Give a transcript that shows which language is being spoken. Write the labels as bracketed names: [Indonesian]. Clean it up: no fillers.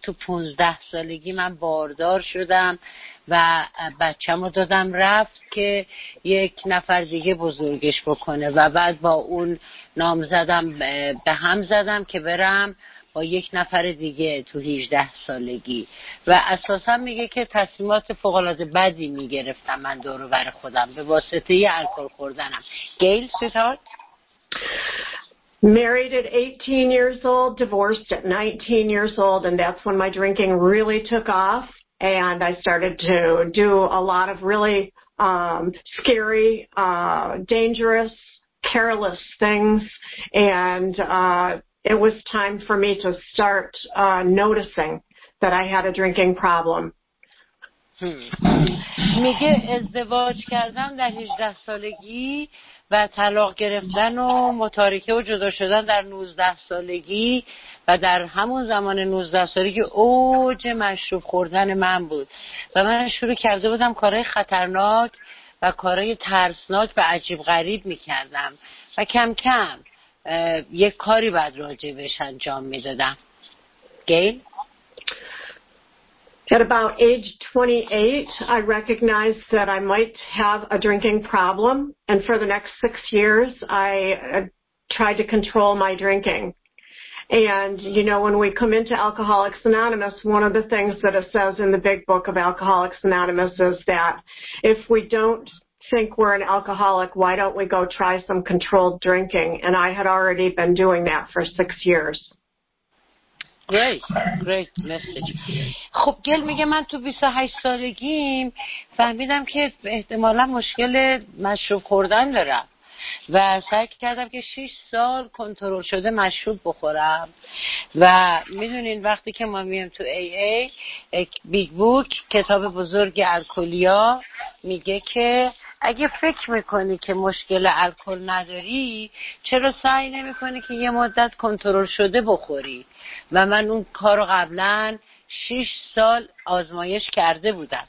[Persian] تو 15 سالگی من باردار شدم و بچه‌مو دادم رفت که یک نفر دیگه بزرگش بکنه و بعد با اون نام زدم، به هم زدم که برم با یک نفر دیگه تو 18 سالگی. و اساسا میگه که تصمیمات فوق‌العاده بدی میگرفتم من دور و بر خودم به واسطه ی الکل خوردنم. گیل سویتارت؟ [English] Married at 18 years old, divorced at 19 years old, and that's when my drinking really took off. And I started to do a lot of really scary, dangerous, careless things. And it was time for me to start noticing that I had a drinking problem. میگه ازدواج کردم در 18 سالگی و طلاق گرفتن و متارکه و جدا شدن در 19 سالگی و در همون زمان 19 سالگی اوج مشروب خوردن من بود و من شروع کرده بودم کارهای خطرناک و کارهای ترسناک و عجیب غریب میکردم و کم کم یک کاری بعد راجع بهش انجام میدادم. Gail? At about age 28, I recognized that I might have a drinking problem, and for the next 6 years, I tried to control my drinking. And, you know, when we come into Alcoholics Anonymous, one of the things that it says in the big book of Alcoholics Anonymous is that if we don't think we're an alcoholic, why don't we go try some controlled drinking? And I had already been doing that for 6 years. Great message. [Persian] خب گل میگه من تو 28 سالگیم فهمیدم که احتمالا مشکل مشروب خوردن دارم و سعی کردم که 6 سال کنترل شده مشروب بخورم. و میدونین وقتی که ما میام تو AA بیگ بوک کتاب بزرگ الکلیا میگه که اگه فکر میکنی که مشکل الکل نداری چرا سعی نمیکنی که یه مدت کنترل شده بخوری؟ و من اون کارو قبلا 6 سال آزمایش کرده بودم.